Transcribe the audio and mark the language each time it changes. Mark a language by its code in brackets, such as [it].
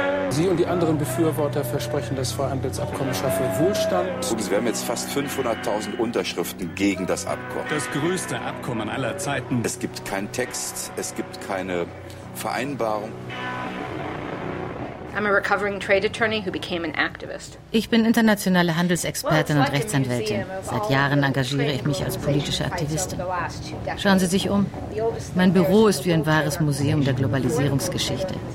[de] Sie und die anderen Befürworter versprechen, das Freihandelsabkommen schaffe Wohlstand. Wir haben jetzt fast 500.000 Unterschriften gegen das Abkommen. Das größte Abkommen aller Zeiten. Es gibt keinen Text, es gibt keine Vereinbarung. [en] I'm a recovering trade attorney who became an activist. [de] Ich bin internationale Handelsexpertin und Rechtsanwältin. Seit Jahren engagiere ich mich als politische Aktivistin. Schauen Sie sich um. Mein Büro ist wie ein wahres Museum der Globalisierungsgeschichte.